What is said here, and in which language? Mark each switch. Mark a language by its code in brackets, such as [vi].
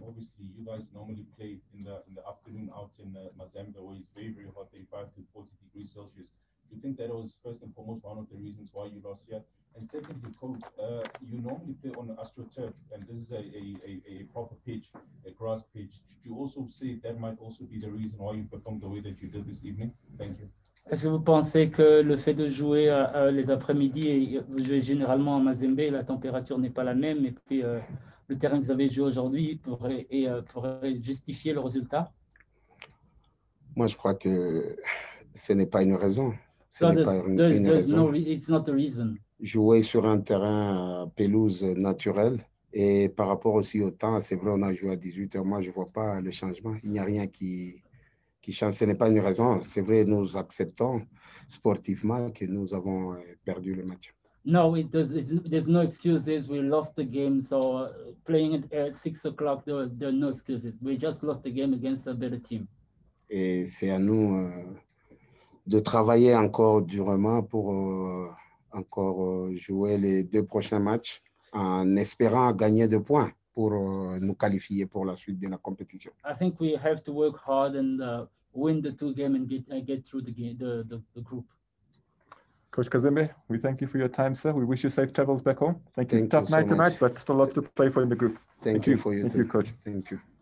[en] Obviously, you guys normally play in the afternoon out in Mazembe, where it's very, very hot, 35 to 40 degrees Celsius. Do you think that was first and foremost one of the reasons why you lost here? And secondly, Coach, you normally play on AstroTurf, and this is a proper pitch, a grass pitch. Did you also say that might also be the reason why you performed the way that you did this evening? Thank you. [fr] Est-ce que vous pensez que le fait de jouer les après-midi, et vous jouez généralement à Mazembe, la température n'est pas la même, et puis le terrain que vous avez joué aujourd'hui pourrait justifier le résultat? Moi, je crois que ce n'est pas une raison. [en] It's not a reason. [fr] Jouer sur un terrain pelouse naturel, et par rapport aussi au temps, c'est vrai, on a joué à 18h, moi, je ne vois pas le changement. Il n'y a rien qui change, ce n'est pas une raison. C'est vrai, nous acceptons sportivement que nous avons perdu le match. [en] No, it does. There's no excuses. We lost the game, so playing it at 6 o'clock, there are no excuses. We just lost the game against a better team. [fr] Et c'est à nous de travailler encore durement pour encore jouer les deux prochains matchs en espérant gagner des points pour nous qualifier pour la suite de la compétition. [en] I think we have to work hard and win the two games and get through the game, the group. Coach Kazembe, we thank you for your time, sir. We wish you safe travels back home. Thank you. Tough night tonight, but still lots to play for in the group. Thank you for your time. Thank you, Coach. Thank you.